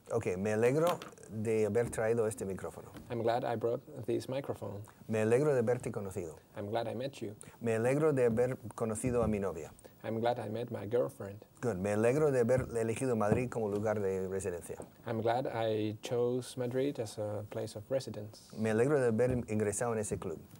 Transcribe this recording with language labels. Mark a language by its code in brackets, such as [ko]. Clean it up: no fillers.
[es] Okay, me alegro de haber traído este micrófono. [en] I'm glad I brought this microphone. [es] Me alegro de haberte conocido. [en] I'm glad I met you. [es] Me alegro de haber conocido a mi novia. [en] I'm glad I met my girlfriend. Good. [es] Me alegro de haber elegido Madrid como lugar de residencia. [en] I'm glad I chose Madrid as a place of residence. [es] Me alegro de haber ingresado en ese club.